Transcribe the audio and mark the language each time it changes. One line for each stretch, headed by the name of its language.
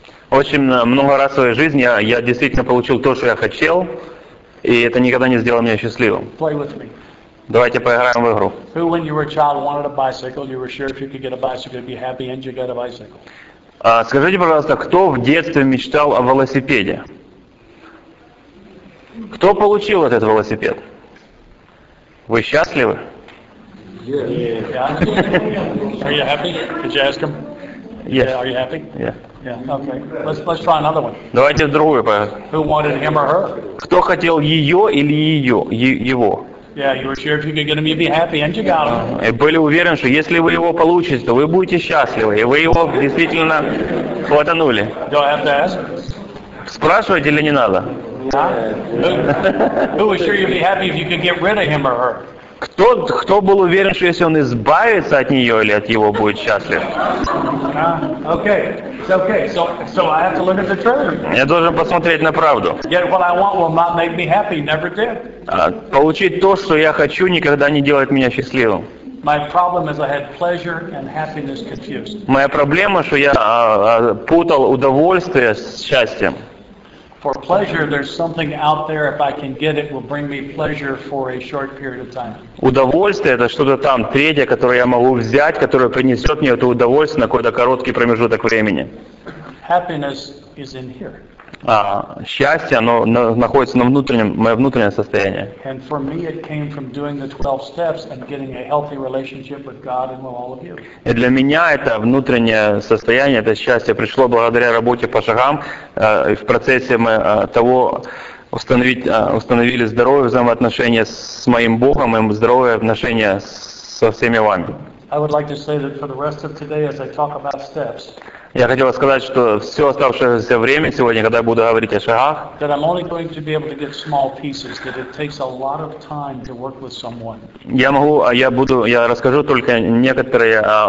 Russian: Очень много раз в своей жизни я действительно получил то, что я хотел, и это никогда не сделало меня счастливым.
English: Play with me.
Russian: Давайте поиграем в игру.
English: Who, when you were a child, wanted a bicycle, you were sure if you could get a bicycle, you'd be happy, and you got a bicycle.
Russian: Скажите, пожалуйста, кто в детстве мечтал о велосипеде? Кто получил этот велосипед? Вы счастливы?
English: Yeah. Are you happy? Did you ask him? Yes. Yeah. Are you happy? Yeah. Yeah. Okay. Let's try another one.
Russian: Давайте другую по.
English: Who wanted him or her?
Russian: Кто хотел ее или ее? Его.
English: Yeah. You were sure if you could get him, you'd be happy, and you got him.
Russian: И были уверены, что если вы его получите, то вы будете счастливы, и вы его действительно хватанули.
English: Do I have to ask?
Russian: Спрашивать или не надо?
English: Yeah. Who was sure you'd be happy if you could get rid of him or her?
Russian: Кто был уверен, что если он избавится от нее или от его, будет счастлив?
English: Okay. It's okay. So I have to look at the truth.
Russian: Я должен посмотреть на правду.
English: Get what I want will not make me happy. Never did.
Russian: Получить то, что я хочу, никогда не делает меня счастливым.
English: My problem is I had pleasure and happiness confused.
Russian: Моя проблема, что я путал удовольствие с счастьем.
English: For pleasure, there's something out there. If I can get it, will bring me pleasure for a short period of time.
Russian: Удовольствие — это что-то там третье, которое я могу взять, которое принесет мне это удовольствие на какой-то короткий промежуток времени.
English: Happiness is in here.
Russian: Счастье, оно находится на внутреннем, мое внутреннее состояние.
English: And for me, it came from doing the 12 steps and getting a healthy relationship with God and with all of you.
Russian: И для меня это внутреннее состояние, это счастье пришло благодаря работе по шагам, в процессе мы того установили здоровые взаимоотношения с моим Богом и здоровые отношения со всеми вами.
English: I would like to say that for the rest of today, as I talk about steps.
Russian: Я хотел сказать, что все оставшееся время сегодня, когда я буду говорить о шагах, я расскажу только некоторые